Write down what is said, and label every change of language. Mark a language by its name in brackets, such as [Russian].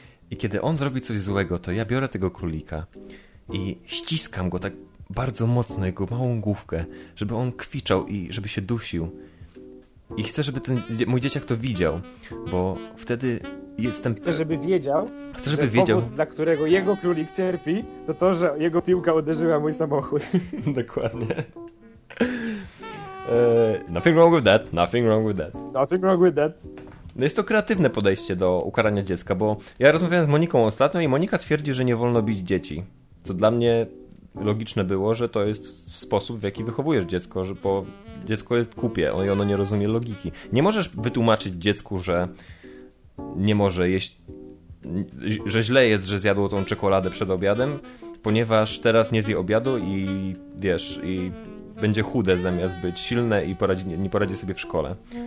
[Polish] I kiedy on zrobi coś złego, to ja biorę tego królika i ściskam go tak bardzo mocno, jego małą główkę, żeby on kwiczał i żeby się dusił. I chcę, żeby ten mój dzieciak to widział, bo wtedy jestem... Chcę, żeby wiedział. Powód, dla którego jego królik cierpi, to, że jego piłka uderzyła mój samochód. Dokładnie. [English] Nothing wrong with that, nothing wrong with that. Nothing wrong with that. [Polish] No jest to kreatywne podejście do ukarania dziecka, bo ja rozmawiałem z Moniką ostatnio i Monika twierdzi, że nie wolno bić dzieci. Co dla mnie logiczne było, że to jest sposób, w jaki wychowujesz dziecko, bo dziecko jest głupie i ono nie rozumie logiki. Nie możesz wytłumaczyć dziecku, że nie może jeść, że źle jest, że zjadło tą czekoladę przed obiadem, ponieważ teraz nie zje obiadu i wiesz, i będzie chude zamiast być silne i nie poradzi sobie w szkole.